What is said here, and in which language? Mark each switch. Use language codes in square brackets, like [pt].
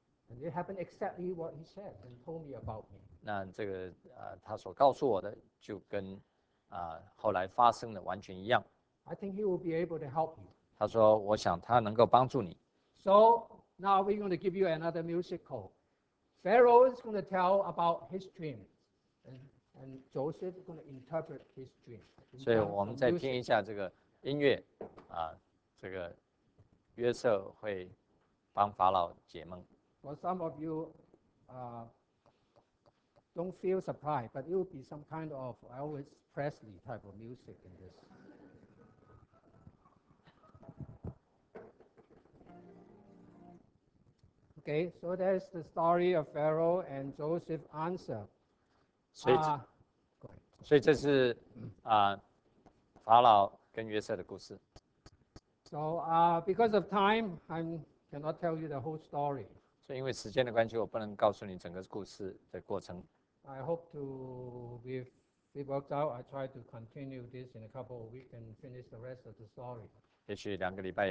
[en] And it happened exactly what he said and told me about me. [zh] 那这个他所告诉我的就跟后来发生的完全一样。 [en] I think he will be able to help you. [zh] 他说，我想他能够帮助你。 [en] So now we're going to give you another musical. Pharaoh is going to tell about his dream, and Joseph is going to interpret his dream. [zh] 所以我们再听一下这个音乐。这个约瑟会帮法老解梦。 [en] For some of you, don't feel surprised, but it will be some kind of Elvis Presley type of music in this. Okay, so that's the story of Pharaoh and Joseph's answer. [zh] 所以这是法老跟约瑟的故事。 [en] So, because of time, I cannot tell you the whole story. [zh] 所以因为时间的关系，我不能告诉你整个故事的过程。 [en] I hope to, if it works out, I try to continue this in a couple of weeks and finish the rest of the story.